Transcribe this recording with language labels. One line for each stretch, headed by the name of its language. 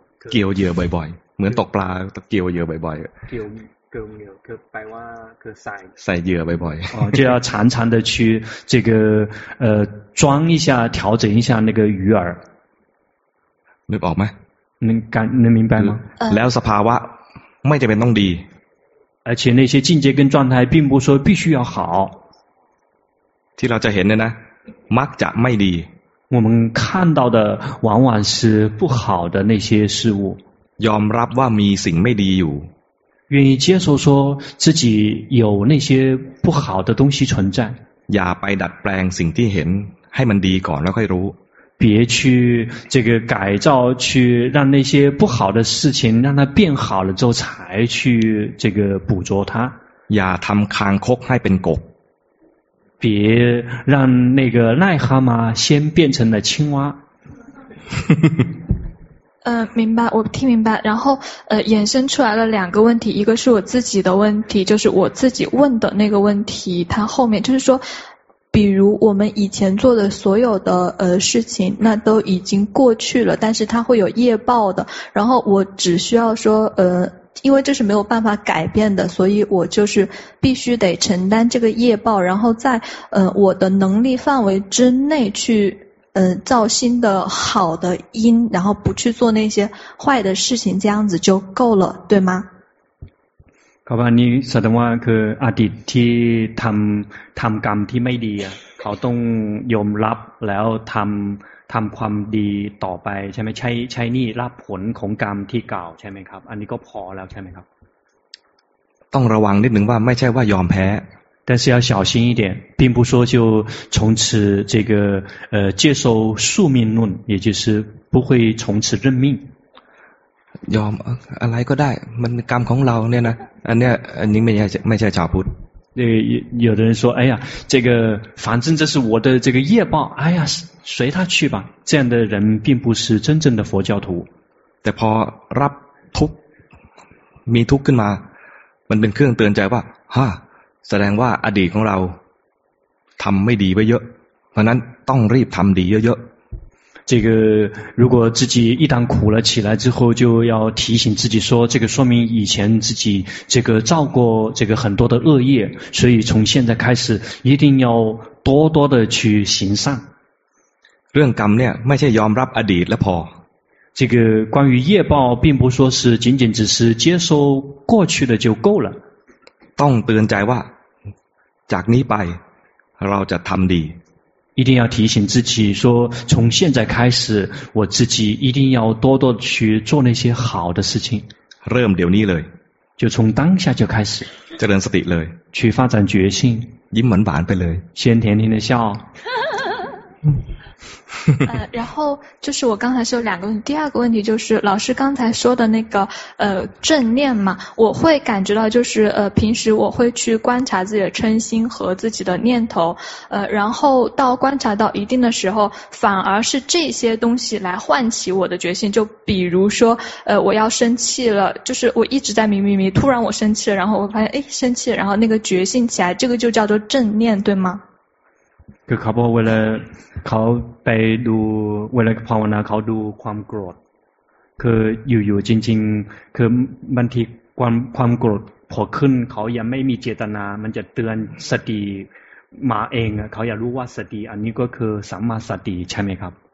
Thai: 钓鱼บ่อยๆเหมือนตกปลาต้องเกี่ยวเหยื่อบ่อยๆ 钓鱼คือแปลว่าคือ ใส่เหยื่อบ่อย
Chinese: ๆ就要常常的去这个装一下调整一下那个鱼饵
Thai: นึกออกมั้ย
Chinese: 能明白吗
Thai: แล้วสภาวะไม่จำเป็นต้องดี
Chinese: 而且那些境界跟状态并不说必须要好
Thai: ที่เราจะเห็นเนี่ยนะมักจะไม่ดี
Chinese: 我们看到的往往是不好的那些事物
Thai: ยอมรับว่ามีสิ่งไม่ดีอยู่
Chinese: 愿意接受说自己有那些不好的东西存在
Thai: อย่าไปดัดแปลงสิ่งที่เห็นให้มันดีก่อนแล้วค่อยรู้
Chinese: 别去这个改造去让那些不好的事情让它变好了之后才去这个捕捉它
Thai: อย่าทำคางคกให้เป็นกบ
Chinese: 别让那个癞蛤蟆先变成了青蛙明白我听明白然后衍生出来了两个问题一个是我自己的问题就是我自己问的那个问题它后面就是说比如我们以前做的所有的事情那都已经过去了但是它会有业报的然后我只需要说因为这是没有办法改变的所以我就是必须得承担这个业报然后在我的能力范围之内去造新的好的因然后不去做那些坏的事情这样子就够了对吗
Thai: ครับนี่แสดงว่าคืออดีตที่ทำกรรมที่ไม่ดีเขาต้องยอมรับแล้วทำความดีต่อไปใช่ไหมใช้นี่รับผลของกรรมที่เก่าใช่ไหมครับอันนี้ก็พอแล้วใช่ไหมครับ ต้องระวังนิดนึงว่าไม่ใช่ว่ายอมแพ้
Chinese: 但是要小心一点，并不说就从此这个接受宿命论，也就是不会从此认命。
Thai: ยอมอะไรก็ได้มันกรรมของเราเนี่ยนะอันเนี้ยอันนี้ไม่ใช่ชาวพุท
Chinese: ธ有的人说哎呀这个反正这是我的这个业报哎呀随他去吧这样的人并不是真正的佛教徒
Thai: แต่พอรับทุกมีทุกขึ้นมามันเป็นเครื่องเตือนใจว่าฮะแสดงว่าอดีตของเราทำไม่ดีไปเยอะเพราะนั้นต้องรีบทำดีเยอะๆ
Chinese: 这个如果自己一旦苦了起来之后，就要提醒自己说，这个说明以前自己这个造过这个很多的恶业，所以从现在开始一定要多多的去行善。
Thai: เรื่องกรรมเนี่ยไม่ใช่ยอมรับอดีตแล้วพ
Chinese: อ这个关于业报，并不说是仅仅只是接收过去的就够了。
Thai: ต้องเตือนใจว่าจากนี้ไปเราจะทำดี
Chinese: 一定要提醒自己说从现在开始我自己一定要多多去做那些好的事情
Thai: เริ่มเดี๋ยวนี้เลย
Chinese: 就从当下就开始
Thai: เจริญสติเลย
Chinese: 去发展决心
Thai: ยิ้มหวานหวานไปเลย
Chinese: 先甜甜的笑然后就是我刚才说两个问题第二个问题就是老师刚才说的那个正念嘛我会感觉到就是平时我会去观察自己的嗔心和自己的念头然后到观察到一定的时候反而是这些东西来唤起我的决心就比如说我要生气了就是我一直在迷迷迷突然我生气了然后我发现生气了然后那个决心起来这个就叫做正念对吗
Thai: คือเขาบอกเวลาเขาไปดูเวลาภาวนาเขาดูความโกรธคืออยู่ๆจริงๆคือบางทีความโกรธพอขึ้นเขายังไม่มีเจตนามันจะเตือนสติมาเองเขาอยากรู้ว่าสติอันนี้ก็คือสัมมาสติใช่ไหมครับ